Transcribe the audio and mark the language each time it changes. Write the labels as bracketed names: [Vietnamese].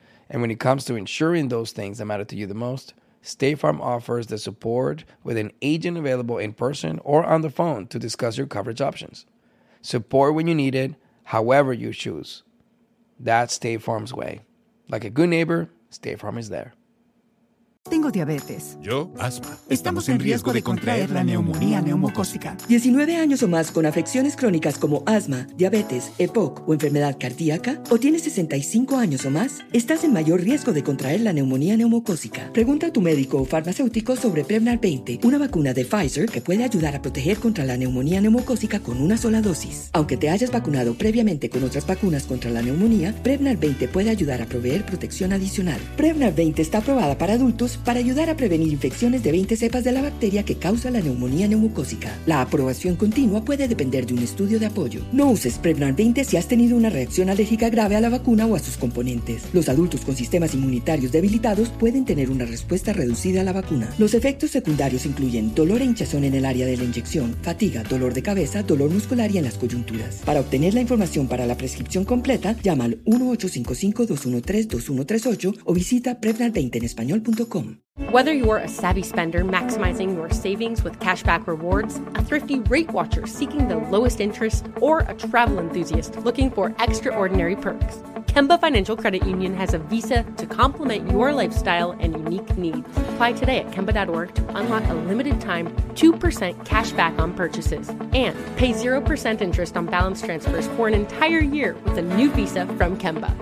[English] And when it comes to ensuring those things that matter to you the most, State Farm offers the support with an agent available in person or on the phone to discuss your coverage options. Support when you need it, however you choose. That's State Farm's way. Like a good neighbor, State Farm is there. [Spanish] Tengo diabetes. Yo, asma. Estamos en riesgo de contraer la neumonía neumocócica. 19 años o más con afecciones crónicas como asma, diabetes, EPOC o enfermedad cardíaca, o tienes 65 años o más, estás en mayor riesgo de contraer la neumonía neumocócica. Pregunta a tu médico o farmacéutico sobre Prevnar 20, una vacuna de Pfizer que puede ayudar a proteger contra la neumonía neumocócica con una sola dosis. Aunque te hayas vacunado previamente con otras vacunas contra la neumonía, Prevnar 20 puede ayudar a proveer protección adicional. Prevnar 20 está aprobada para adultos para ayudar a prevenir infecciones de 20 cepas de la bacteria que causa la neumonía neumocócica. La aprobación continua puede depender de un estudio de apoyo. No uses Prevnar 20 si has tenido una reacción alérgica grave a la vacuna o a sus componentes. Los adultos con sistemas inmunitarios debilitados pueden tener una respuesta reducida a la vacuna. Los efectos secundarios incluyen dolor e hinchazón en el área de la inyección, fatiga, dolor de cabeza, dolor muscular y en las coyunturas. Para obtener la información para la prescripción completa, llama al 1-855-213-2138 o visita Prevnar20 en español.com. [English] Whether you're a savvy spender maximizing your savings with cashback rewards, a thrifty rate watcher seeking the lowest interest, or a travel enthusiast looking for extraordinary perks, Kemba Financial Credit Union has a Visa to complement your lifestyle and unique needs. Apply today at Kemba.org to unlock a limited-time 2% cashback on purchases and pay 0% interest on balance transfers for an entire year with a new Visa from Kemba.